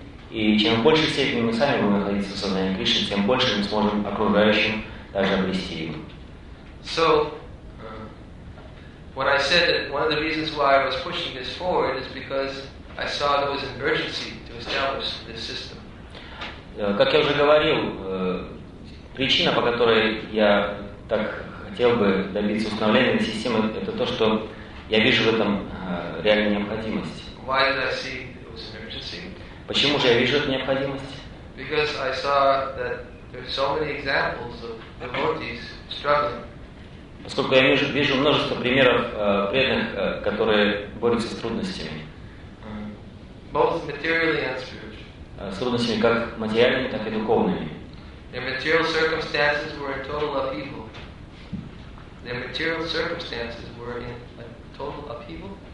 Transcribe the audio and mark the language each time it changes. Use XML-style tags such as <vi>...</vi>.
<ru>И чем в большей степени мы сами будем находиться в сознании Кришны, тем больше мы сможем окружающим также обрести его.</ru> <en>So, when I said that one of the reasons why I was pushing this forward is because I saw there was an urgency to establish this system.</en> <ru>Как я уже говорил, причина, по которой я так хотел бы добиться установления системы, это то, что я вижу в этом реальную необходимость.</ru> <en>Why did I see there was an urgency?</en> <ru>Почему же я вижу эту необходимость?</ru> <en>Because I saw that there are so many examples of devotees struggling.</en> <ru>Поскольку я вижу множество примеров преданных, которые борются с трудностями.</ru> <en>Both materially and spiritually.</en> <ru>С трудностями как материальными, так и духовными.</ru> <en>Their material circumstances were in total upheaval. Their material circumstances were in a total upheaval.</en>